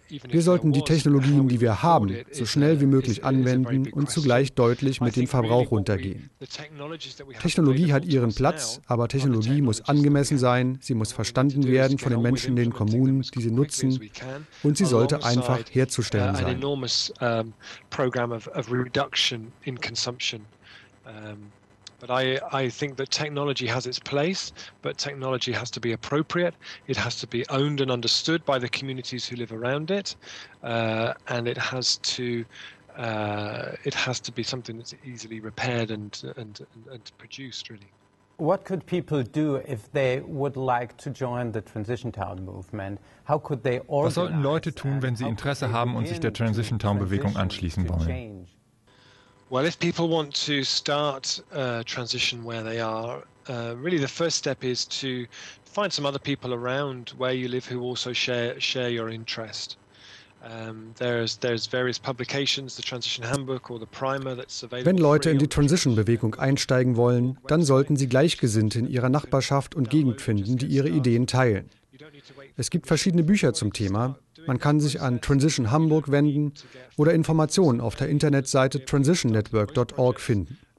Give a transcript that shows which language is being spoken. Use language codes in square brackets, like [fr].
[de] Wir sollten die Technologien, die wir haben, so schnell wie möglich anwenden und zugleich deutlich mit dem Verbrauch runtergehen. Technologie hat ihren Platz, aber Technologie muss angemessen sein, sie muss verstanden werden von den Menschen in den Kommunen, die sie nutzen, und sie sollte einfach herzustellen sein. [en] But I think that technology has its place, but technology has to be appropriate. It has to be owned and understood by the communities who live around it, and it has to be something that's easily repaired and produced, really. What could people do if they would like to join the Transition Town movement? How could they organize? [de] Was sollten Leute tun, wenn sie Interesse haben und sich der Transition Town Bewegung anschließen wollen? [en] Well, if people want to start a transition where they are, really the first step is to find some other people around where you live who also share your interest. There's various publications, the Transition Handbook or the Primer that's available. [de] Wenn Leute in die Transition Bewegung einsteigen wollen, dann sollten sie Gleichgesinnte in ihrer Nachbarschaft und Gegend finden, die ihre Ideen teilen. Es gibt verschiedene Bücher zum Thema. Man kann sich an Transition Hamburg wenden oder Informationen auf der Internetseite transitionnetwork.org finden.